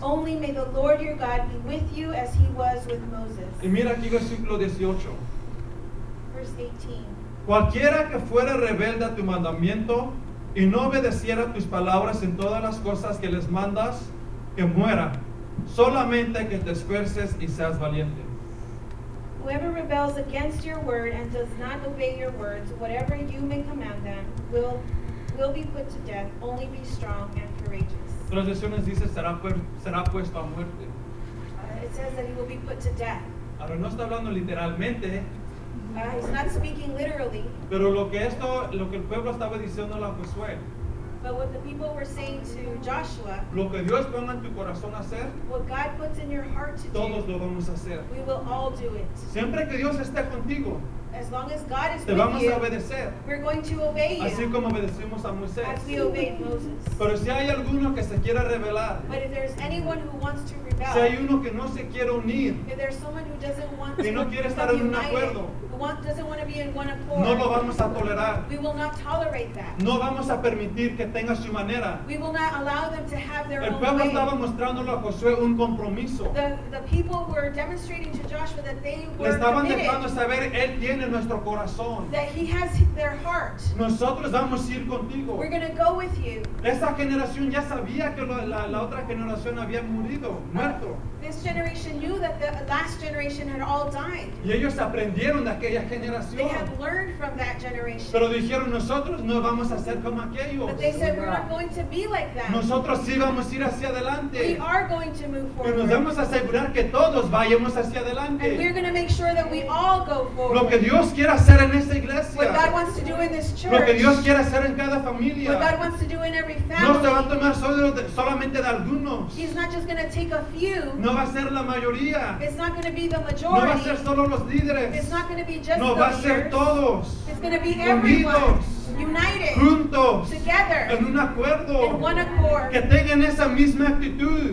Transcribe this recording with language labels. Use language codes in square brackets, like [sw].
[en] Only may the Lord your God be with you as he was with Moses. [es] Y mira aquí versículo 18. [en] Verse 18. [es] Cualquiera que fuera rebelde a tu mandamiento y no obedeciera tus palabras en todas las cosas que les mandas, que muera. Solamente que te esfuerces y seas valiente. [en] Whoever rebels against your word and does not obey your words, whatever you may command them, will be put to death. Only be strong and courageous. [es] Transiciones dice será puesto a muerte. [en] It says that he will be put to death. [es] Ahora no está hablando literalmente. [en] He's not speaking literally. [es] Pero lo que el pueblo estaba diciendo a Josué. [en] But what the people were saying to Joshua, [es] lo que Dios ponga en tu corazón hacer, [en] what God puts in your heart to [es] todos [en] do, [es] lo vamos a hacer. [en] We will all do it. [es] Siempre que Dios esté contigo, [en] as long as God is [es] te [en] with [es] vamos [en] you, [es] a obedecer, [en] we're going to obey you. [es] Así como obedecimos a Moisés. [en] As we obeyed Moses. [es] Pero si hay alguno que se quiera rebelar, [en] but if there's anyone who wants to rebel, [es] si hay uno que no se quiere unir, [en] if there's someone who doesn't want to [es] y no quiere estar [en] united, [es] en un acuerdo, [en] doesn't want to be in one accord. [es] No lo vamos a tolerar. [en] We will not tolerate that. [es] No vamos a permitir que tenga su manera. [en] We will not allow them to have their [es] el pueblo [en] own [es] estaba [en] way. [es] Mostrándolo a Josué un compromiso. [en] The people were demonstrating to Joshua that they were [es] le estaban [en] committed. [es] Dejando saber, él tiene nuestro corazón. [en] That he has their heart. [es] Nosotros vamos a ir contigo. [en] We're going to go with you. [es] Esa generación ya sabía que la otra generación había murido, muerto. [en] This generation knew that the last generation had all died. [es] Y ellos aprendieron de aquella generación. [en] They had learned from that generation. [es] Pero dijeron, nosotros no vamos a ser como aquellos. [en] But they said, we're not going to be like that. [es] Nosotros sí vamos a ir hacia adelante. [en] We are going to move forward. [es] Y nos vamos a asegurar que todos vayamos hacia adelante. [en] And we're going to make sure that we all go forward. [es] Lo que Dios quiere hacer en esta iglesia. [en] What God wants to do in this church. [es] Lo que Dios quiere hacer en cada familia. [en] What God wants to do in every family. [es] No se va a tomar solamente de algunos. [en] He's not just going to take a few. [es] No va a ser la mayoría. [en] It's not going to be the majority. [es] No va a ser solo los líderes. [en] It's not going to be just [es] no va a [en] leaders. [es] Ser todos. [en] It's going to be [es] unidos. [en] Everyone. United. [es] Juntos. [en] Together. [es] En un acuerdo. [en] In one accord. [es] Que tengan esa misma actitud.